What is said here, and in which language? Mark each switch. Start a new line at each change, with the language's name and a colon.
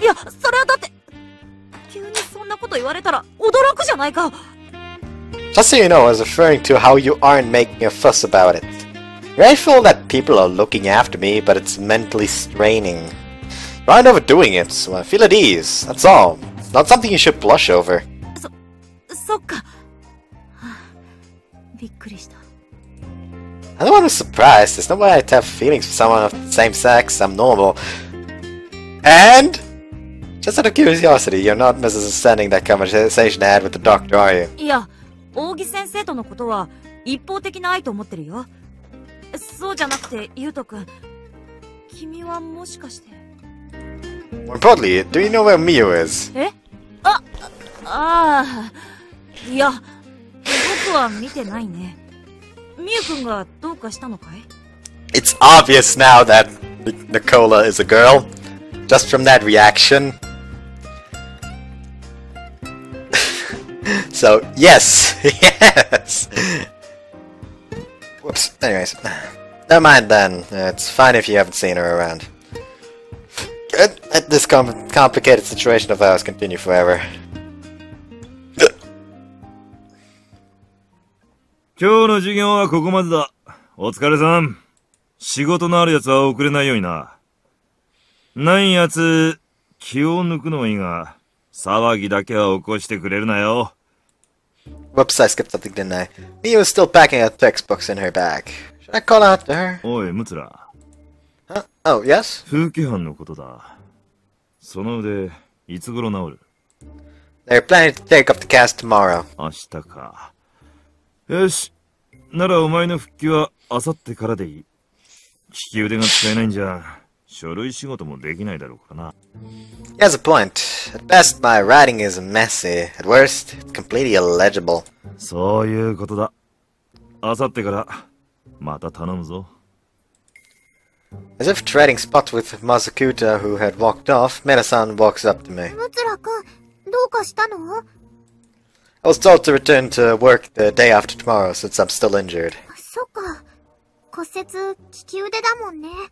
Japanese: いや、それはだって、急にそんなこと言われたら驚くじゃないか。
English: Just so you know, I was referring to how you aren't making a fuss about it. I feel that people are looking after me, but it's mentally straining. You aren't overdoing it, so I feel at ease, that's all. It's not something you should blush over.
Japanese: そっか。びっくりした。
English: I don't want to be surprised. There's no way I'd have feelings for someone of the same sex. I'm normal. And? Just out of curiosity, you're not misunderstanding that conversation I had with the doctor, are you?
Japanese: いや、大木先生とのことは一方的な愛と思ってるよ。そうじゃなくて、ゆうとくん。君はもしかして。
English: More importantly, do you know where Miyu is?
Japanese: え? いや、僕は見てないね。
English: It's obvious now that Nicola is a girl, just from that reaction. So, yes, yes! Whoops, anyways. Never mind then, it's fine if you haven't seen her around. Let this complicated situation of ours continue forever.
Japanese: 今日の授業はここまでだ。お疲れさん。仕事のある奴は遅れないようにな。ない奴、気を抜くのもいいが、騒ぎだけは起こしてくれるなよ。
English: Whoops, I skipped something, didn't I? Miyu is still packing her textbooks in her bag. Should I call out to her?
Japanese: おい、ムツラ。
English: Huh? Oh, yes?
Japanese: 風紀班のことだ。その腕、いつ頃治る?
English: They're planning to take up the cast tomorrow.
Japanese: 明日か。よし。ならお前の復帰は明後日からでいい。利き腕が使えないんじゃ、書類仕事もできないだろうからな。
English: He has a point. At best, my writing is messy. At worst, it's completely illegible.
Japanese: そういうことだ。明後日から、また頼むぞ。
English: As if trading spots with Masakuta, who had walked off, Mera-san walks up to me.
Japanese: Mutsura-kun, どうかしたの?
English: I was told to return to work the day after tomorrow, since I'm still injured.
Japanese: そっか。骨折、利き腕だもんね。